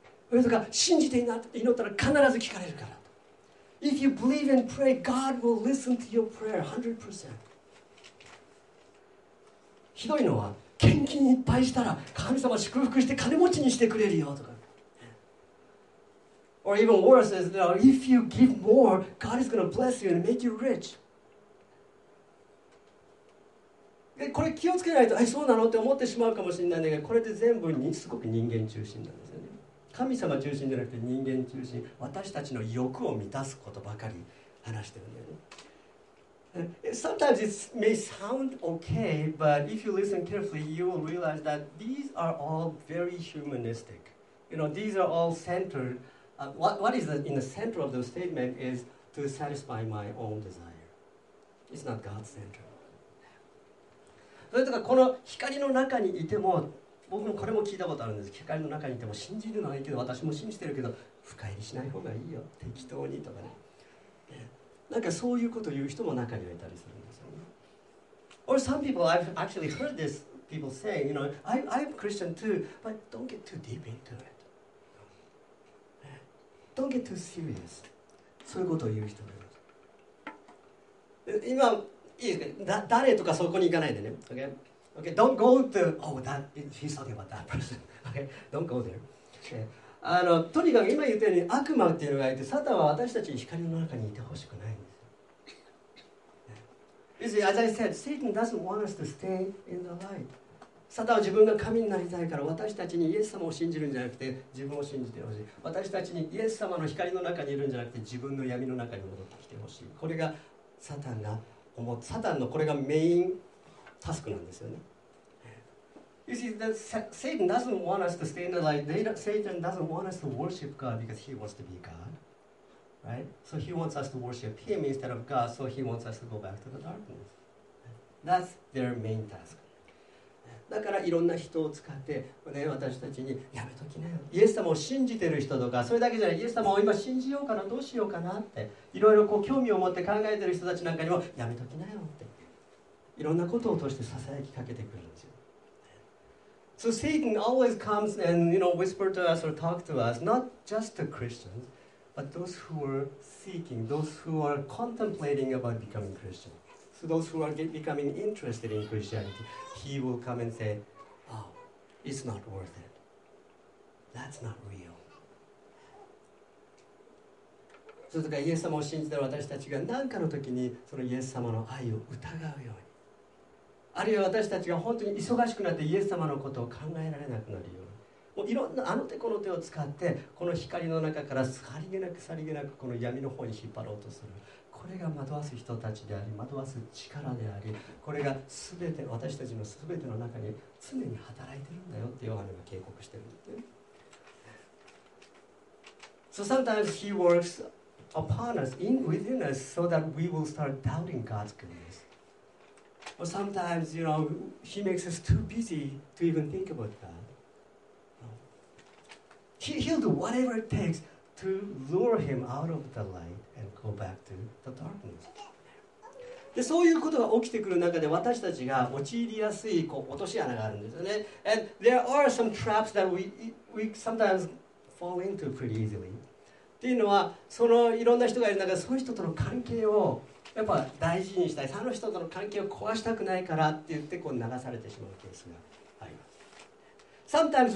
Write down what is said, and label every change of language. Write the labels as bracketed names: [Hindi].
[Japanese] それとか信じて祈ったら必ず聞かれるからと。 [English] If you believe and pray, God will listen to your prayer 100%. [Japanese] ひどいのは献金いっぱいしたら神様祝福して金持ちにしてくれるよとか。 [English] Or even worse is, you know, if you give more, God is going to bless you and make you rich. [Japanese] これ気をつけないと、そうなのって思ってしまうかもしれないんだけど、これで全部にすごく人間中心なんですよね。神様中心じゃなくて人間中心、私たちの欲を満たすことばかり話してるんだよね。 [English] Sometimes it may sound okay, but if you listen carefully, you will realize that these are all very humanistic. You know, these are all centered what is the, in the center of the statement is to satisfy my own desire. It's not God's center. [Japanese] それとかこの光の中にいても、僕もこれも聞いたことあるんです。光の中にいても信じるのはいいけど、私も信じてるけど、深入りしない方がいいよ、適当にとかね。なんかそういうことを言う人も中にはいたりするんですよね。 [English] Or some people, I've actually heard this people say, you know, I'm Christian too, but don't get too deep into it. Don't get too serious. [Japanese] そういうことを言う人もいます。今、いいですか、誰とかそこに行かないでね。 [English] Okay? Okay, don't go to, oh, that, he's talking about that person. Okay, don't go there. [Japanese] あの、とにかく今言ったように悪魔っていうのがいて、サタンは私たちに光の中にいてほしくないんですよ。 [English] You see, as I said, Satan doesn't want us to stay in the light. [Japanese] サタンは自分が神になりたいから、私たちにイエス様を信じるんじゃなくて自分を信じてほしい。私たちにイエス様の光の中にいるんじゃなくて自分の闇の中に戻ってきてほしい。これがサタンが思う、サタンのこれがメインタスクなんですよね。 [English] You see, that Satan doesn't want us to stay in the light. Satan doesn't want us to worship God because he wants to be God. Right? So he wants us to worship him instead of God, so he wants us to go back to the darkness. That's their main task. [Japanese] だからいろんな人を使って、ね、私たちにやめときなよ。イエス様を信じてる人とか、それだけじゃない、イエス様を今信じようかな、どうしようかなって、いろいろこう興味を持って考えてる人たちなんかにもやめときなよって、いろんなことを通してささやきかけてくるんですよ。 [English] So Satan always comes and, you know, whisper to us or talk to us, not just the Christians, but those who are seeking, those who are contemplating about becoming Christian. So those who are becoming interested in Christianity, he will come and say, oh, it's not worth it. That's not real. [Japanese] そうとか、イエス様を信じている私たちが何かの時にそのイエス様の愛を疑うように、あるいは私たちが本当に忙しくなってイエス様のことを考えられなくなるように、もういろんなあの手この手を使ってこの光の中からさりげなくさりげなくこの闇の方に引っ張ろうとする、これが惑わす人たちであり、惑わす力であり、これが全て私たちの全ての中に常に働いてるんだよってヨハネが警告してるんだよね。 [English] So sometimes he works upon us, in within us, so that we will start doubting God's goodness. Or sometimes, you know, he makes us too busy to even think about God. He'll do whatever it takes to lure him out of the light and go back to the darkness. [Japanese] で、そういうことが起きてくる中で私たちが陥りやすいこう落とし穴があるんですよね。 [English] And there are some traps that we sometimes fall into pretty easily. [Japanese] っていうのは、そのいろんな人がいる中で、そういう人との関係をやっぱ大事にしたい、その人との関係を壊したくないからって言ってこう流されてしまうケースがあります。